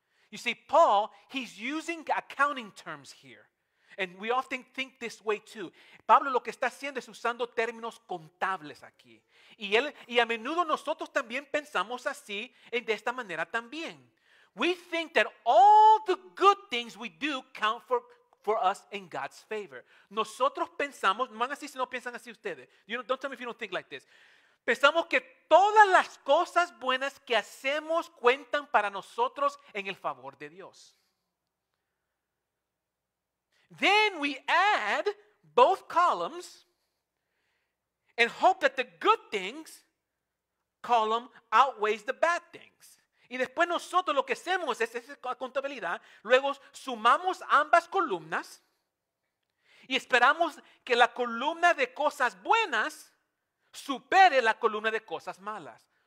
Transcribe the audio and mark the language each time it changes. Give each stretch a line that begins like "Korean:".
English: You see, Paul, he's using accounting terms here. And we often think this way too.
Spanish: Pablo lo que está haciendo es usando términos contables aquí. Y él, y a menudo nosotros también pensamos así, de esta manera también.
English: We think that all the good things we do count for us in God's favor.
Spanish: Nosotros pensamos, no van así si no piensan así ustedes.
English: You don't tell me if you don't think like this.
Spanish: Pensamos que todas las cosas buenas que hacemos cuentan para nosotros en el favor de Dios.
English: Then we add both columns and hope that the good things column outweighs the bad things.
Spanish: Y después nosotros lo que hacemos es esa contabilidad, luego sumamos ambas columnas y esperamos que la columna de cosas buenas supere la columna de cosas malas.